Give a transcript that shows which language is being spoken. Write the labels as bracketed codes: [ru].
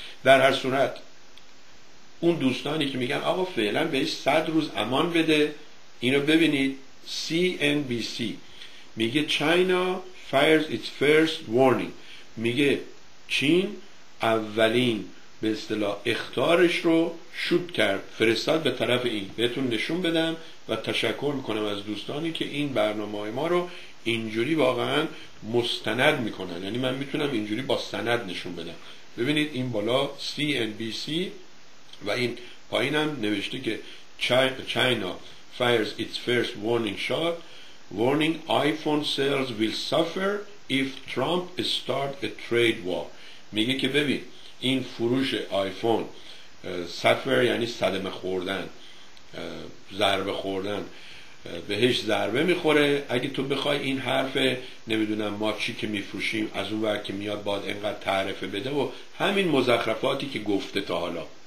[fa] در هر صورت اون دوستانی که میگن آقا فعلا بهش 100 روز امان بده، اینو ببینید CNBC میگه [en] China fires its first warning، [fa] میگه چین اولین به اصطلاح اخطارش رو شوت کرد، فرستاد به طرف این. بهتون نشون بدم و تشکر میکنم از دوستانی که این برنامه ما رو اینجوری واقعا مستند میکنن، یعنی من میتونم اینجوری با سند نشون بدم. ببینید این بالا CNBC و این پایین هم نوشته که [en] China fires its first warning shot warning iPhone sales will suffer if Trump start a trade war. [fa] میگه که ببین این فروش آیفون سفر یعنی صدمه خوردن، ضربه خوردن، بهش ضربه میخوره اگه تو بخوای این حرف نمیدونم ما چی که میفروشیم از اون ور که میاد باید انقدر تعرفه بده و همین مزخرفاتی که گفته تا حالا.